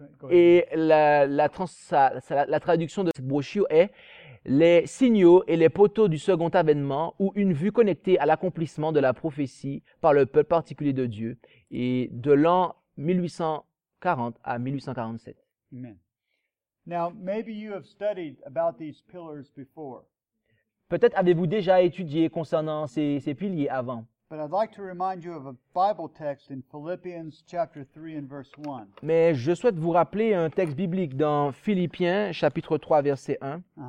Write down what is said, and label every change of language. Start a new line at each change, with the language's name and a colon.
French: Et la traduction de cette brochure est les signaux et les poteaux du second avènement ou une vue connectée à l'accomplissement de la prophétie par le peuple particulier de Dieu et de l'an 1840 à 1847. Amen.
English: Now, maybe you have studied about these pillars before.
French: Peut-être avez-vous déjà étudié concernant ces piliers avant.
English: But I'd like to remind you of a Bible text in Philippians chapter 3 and verse 1.
French: Mais je souhaite vous rappeler un texte biblique dans Philippiens chapitre 3 verset 1.